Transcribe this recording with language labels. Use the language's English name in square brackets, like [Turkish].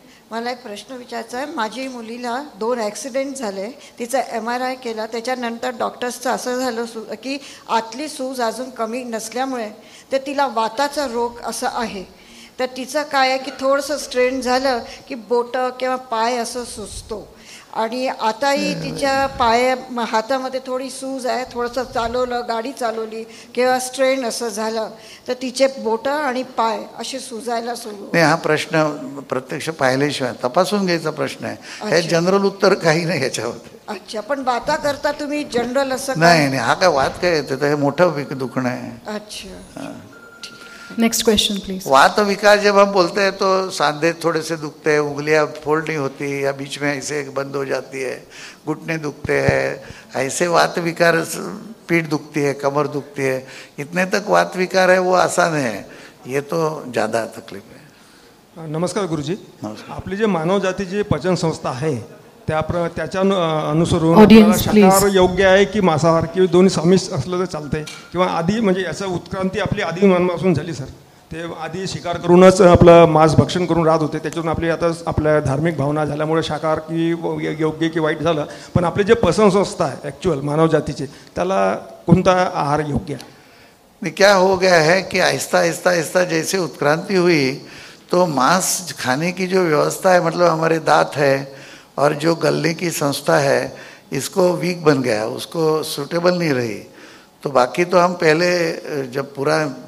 [Marathi] मला एक प्रश्न विचारायचा आहे. माझी मुलीला 2 ॲक्सिडेंट झाले, तिचा MRI केला, त्याच्यानंतर डॉक्टर्सचं असं झालं की आतली सूज अजून कमी नसल्यामुळे ते तिला वाताचा रोग असा आहे, तर तिचं काय आहे की थोडंसं स्ट्रेन झालं की बोटं किंवा पाय असं सुजतो, आणि आताही तिच्या पाय हातामध्ये थोडी सूज आहे, थोडंसं चालवलं, गाडी चालवली किंवा स्ट्रेन असं झालं तर तिचे बोटं आणि पाय असे सुजायला सुरू. नाही, हा प्रश्न प्रत्यक्ष पाहिल्याशिवाय तपासून घ्यायचा प्रश्न आहे, हे जनरल उत्तर काही नाही याच्यावर. अच्छा, पण वाता करता तुम्ही जनरल असं? नाही नाही, हा काय वात काय येते, हे मोठं दुखणं आहे. अच्छा. [English] Next question please. [Hindi] वात विकार जब हम बोलते हैं तो सांधे थोड़े से दुखते हैं, उंगलियां फोल्ड नहीं होती या बीच में ऐसे बंद हो जाती है, घुटने दुखते हैं, ऐसे वात विकार, पीठ दुखती है, कमर दुखती है, इतने तक वात विकार है वो आसान है, ये तो ज़्यादा तकलीफ है. [Marathi] नमस्कार गुरुजी. नमस्कार. आपली जे मानव जाती जी पचन संस्था है त्याच्या अनुसरून शाकाहार योग्य आहे की मांसाहार कि दोन्ही समिश असलं तर चालतंय, किंवा आधी म्हणजे याचा उत्क्रांती आपली आधी मनापासून झाली सर, ते आधी शिकार करूनच आपलं मांस भक्षण करून राहत होते, त्याच्यातून आपली आता आपल्या धार्मिक भावना झाल्यामुळे शाकाहार की योग्य की वाईट झालं, पण आपले जे पसंत संस्था आहे ॲक्च्युअल मानवजातीचे त्याला कोणता आहार योग्य आहे? [Hindi] क्या हो गया है की आहिस्ता आहिस्ता आहिस्ता जैसे उत्क्रांती हुई तो मांस खाने की जो व्यवस्था है, मतलब हमारे दात है और जो गलने की संस्था है, इसको वीक बन गया, उसको सूटेबल नहीं रही, तो बाकी तो हम पहले जब पूरा